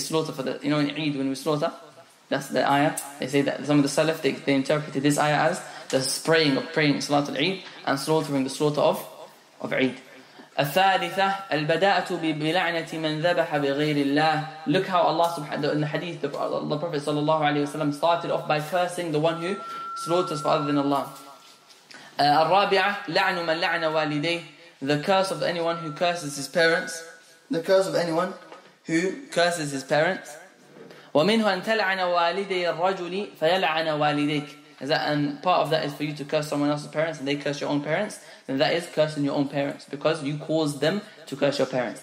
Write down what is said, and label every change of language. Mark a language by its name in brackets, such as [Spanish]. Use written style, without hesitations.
[English] Slaughter for the, you know, عيد, when we slaughter, that's the ayah. They say that some of the Salaf, they interpreted this ayah as the spraying of praying [Arabic] صلاة العيد [English] and slaughtering the slaughter of عيد. [Arabic] الثالثة البداءة ببلعنة من ذبح بغير الله. [English] Look how Allah subhanahu in the hadith, the Prophet sallallahu alaihi wasallam started off by cursing the one who slaughters for other than Allah. [Arabic] الرابعة لعن من لعن والديه. [English] The curse of anyone who curses his parents. The curse of anyone who curses his parents. [Arabic] ومنه أن تلعن والدي الرجل فيلعن والديك. [English] is that, and part of that is for you to curse someone else's parents and they curse your own parents, then that is cursing your own parents because you caused them to curse your parents.